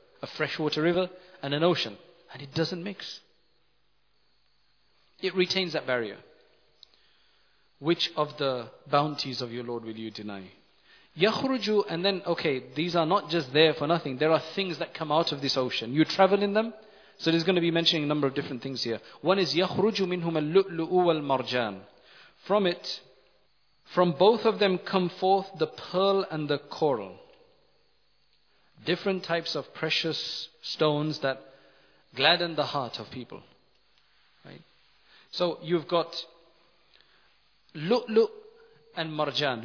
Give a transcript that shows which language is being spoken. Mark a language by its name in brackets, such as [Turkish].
[English] A freshwater river and an ocean. And it doesn't mix. It retains that barrier. Which of the bounties of your Lord will you deny? [Arabic] يَخْرُجُ. [English] And then, okay, these are not just there for nothing. There are things that come out of this ocean. You travel in them. So there's going to be mentioning a number of different things here. One is [Arabic] يَخْرُجُ مِنْهُمَ اللُّؤْلُؤُ وَالْمَرْجَانِ. [English] From it, from both of them come forth the pearl and the coral. Different types of precious stones that gladden the heart of people. Right? So you've got لُؤْلُؤ and مَرْجَانِ.